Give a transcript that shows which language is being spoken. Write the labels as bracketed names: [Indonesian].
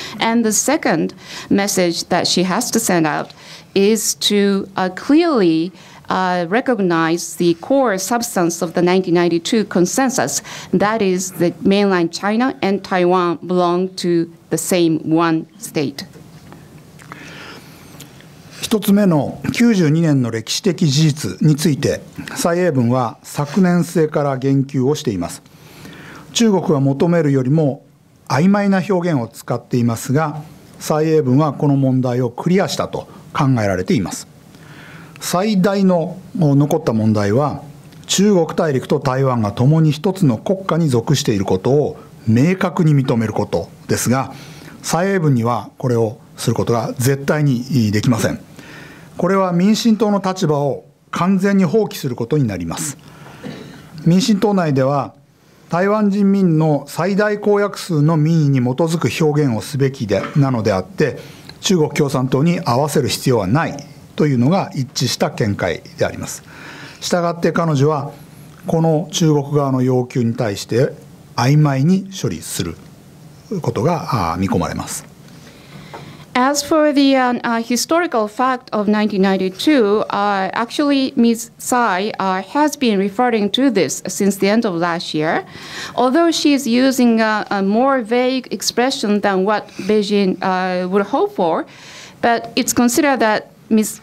[English] And the second message that she has to send out is to clearly recognize the core substance of the 1992 consensus, that is that mainland China and Taiwan belong to the same one state. [Japanese] 一つ目の92年の歴史的事実について、蔡英文は昨年末から言及をしています。中国は求めるよりも曖昧な表現を使っていますが、蔡英文はこの問題をクリアしたと考えられています。最大の残った問題は、中国大陸と台湾が共に一つの国家に属していることを明確に認めることですが、蔡英文にはこれをすることが絶対にできません。これは民進党の立場を完全に放棄することになります。民進党内では、台湾人民の最大公約数の民意に基づく表現をすべきでなのであって、中国共産党に合わせる必要はないというのが一致した見解であります。したがって彼女は、この中国側の要求に対して曖昧に処理することが見込まれます。 [English] As for the historical fact of 1992, actually Ms. Tsai has been referring to this since the end of last year. Although she is using a more vague expression than what Beijing would hope for, but it's considered that Ms.